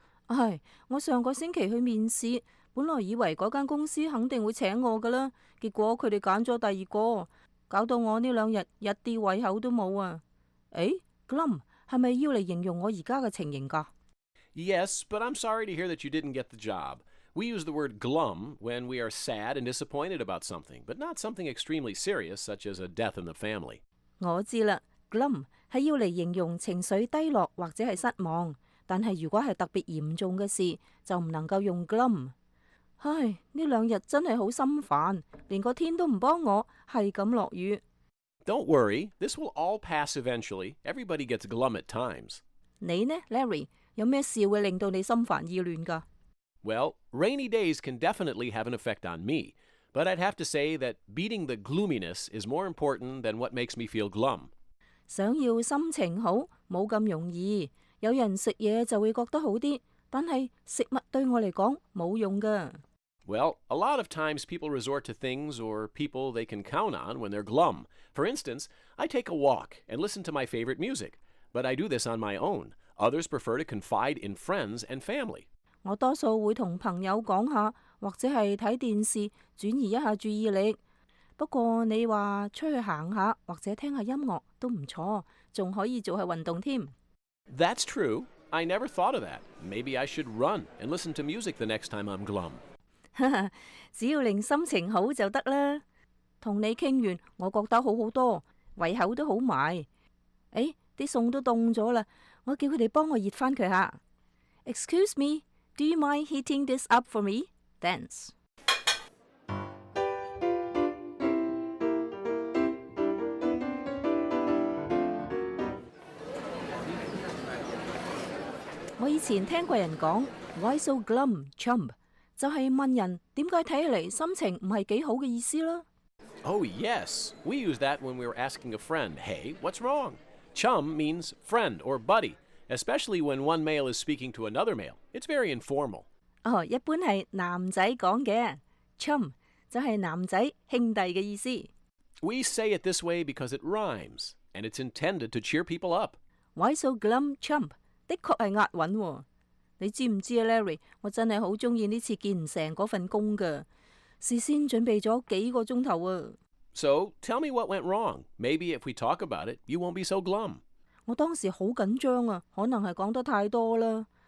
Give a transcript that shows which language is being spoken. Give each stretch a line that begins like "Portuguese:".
Cantonese: 唉，我上个星期去面试，本来以为嗰间公司肯定会请我噶啦，结果佢哋拣咗第二个，搞到我呢两日一啲胃口都冇啊！诶 ，glum 系咪要嚟形容我而家嘅情形噶
English: ？Yes, but I'm sorry to hear that you didn't get the job. We use the word glum when we are sad and disappointed about something, but not something extremely serious, such as a death in the family.
Cantonese: 我知啦 ，glum 系要嚟形容情绪低落或者系失望，但系如果系特别严重嘅事，就唔能够用 glum。唉，呢两日真系好心烦，连个天都唔帮我，系咁落雨。
English: Don't worry, this will all pass eventually. Everybody gets glum at times.
Cantonese: 你呢 ，Larry， 有咩事会令到你心烦意乱噶
English: ？Well, rainy days can definitely have an effect on me. But I'd have to say that beating the gloominess is more important than what makes me feel glum.
Cantonese: 想要心情好，冇咁容易。有人食嘢就会觉得好啲，但系食物对我嚟讲冇用噶。
English: Well, a lot of times people resort to things or people they can count on when they're glum. For instance, I take a walk and listen to my favorite music. But I do this on my own. Others prefer to confide in friends and family.
Cantonese: 我多数会同朋友讲下。或者系睇电视转移一下注意力。不过你话出去行下或者听下音乐都唔错，仲可以做下运动添。
English: That's true. I never thought of that. Maybe I should run and listen to music the next time I'm glum.
Cantonese: 只要令心情好就得啦。同你倾完，我觉得好好多，胃口都好埋。诶，啲餸都冻咗啦，我叫佢哋帮我热翻佢下。
English: Excuse me, do you mind heating this up for me?
Cantonese: 我以前听过人讲 ，
English: Why so glum, chump？
Cantonese: 就系问人点解睇起嚟心情唔系几好嘅意思啦。
English: Oh yes, we use that when we were asking a friend, "Hey, what's wrong?" Chump means friend or buddy, especially when one male is speaking to another male. It's very informal.
Cantonese: 哦，一般系男仔讲嘅 ，chum 就系男仔兄弟嘅意思。
English: We say it this way because it rhymes and it's intended to cheer people up. Why so glum, chump？
Cantonese: 的确系押韵、哦。你知唔知啊 ，Larry？我真系好中意呢次建成嗰份工噶，事先准备咗几个钟头啊。
English: So tell me what went wrong. Maybe if we talk about it, you won't be so glum.
Cantonese: 我当时好紧张啊，可能系讲得太多啦。